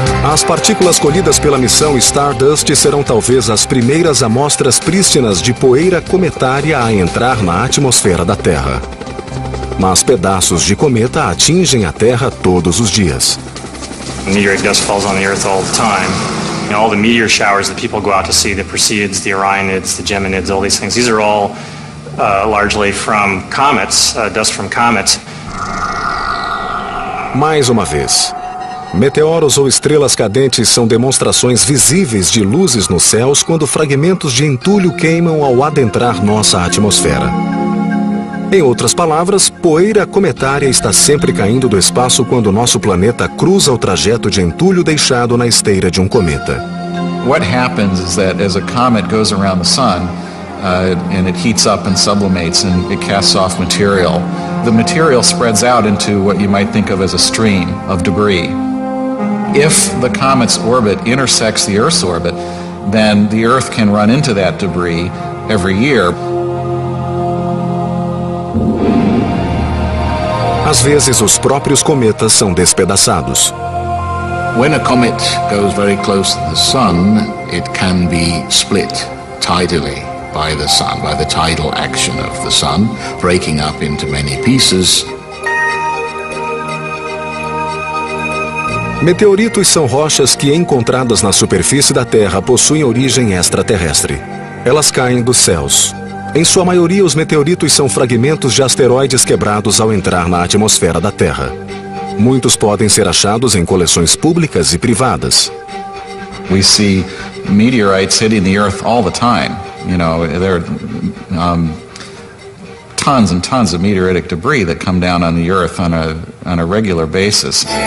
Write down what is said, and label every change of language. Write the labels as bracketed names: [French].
[Portuguese] As partículas colhidas pela missão Stardust serão talvez as primeiras amostras prístinas de poeira cometária a entrar na atmosfera da Terra. Mas pedaços de cometa atingem a Terra todos os dias. [English] A meteoric dust falls on the Earth all the time. You know, all the meteor showers that people go out to see, the Perseids, the Orionids, the Geminids, all these things, these are all largely from comets, dust from comets. [Portuguese] Mais uma vez. Meteoros ou estrelas cadentes são demonstrações visíveis de luzes nos céus quando fragmentos de entulho queimam ao adentrar nossa atmosfera. Em outras palavras, poeira cometária está sempre caindo do espaço quando nosso planeta cruza o trajeto de entulho deixado na esteira de um cometa. [English] What happens is that as a comet goes around the sun, and it heats up and sublimates and it casts off material, the material spreads out into what you might think of as a stream of debris. If the comet's orbit intersects the Earth's orbit, then the Earth can run into that debris every year. [Portuguese] Às vezes, os próprios cometas são despedaçados. [English] When a comet goes very close to the sun, it can be split tidally by the sun, by the tidal action of the sun, breaking up into many pieces. [Portuguese] Meteoritos são rochas que, encontradas na superfície da Terra, possuem origem extraterrestre. Elas caem dos céus. Em sua maioria, os meteoritos são fragmentos de asteroides quebrados ao entrar na atmosfera da Terra. Muitos podem ser achados em coleções públicas e privadas. [English] We see meteorites hitting the Earth all the time. You know, there are tons and tons of meteoritic debris that come down on the Earth on a regular basis.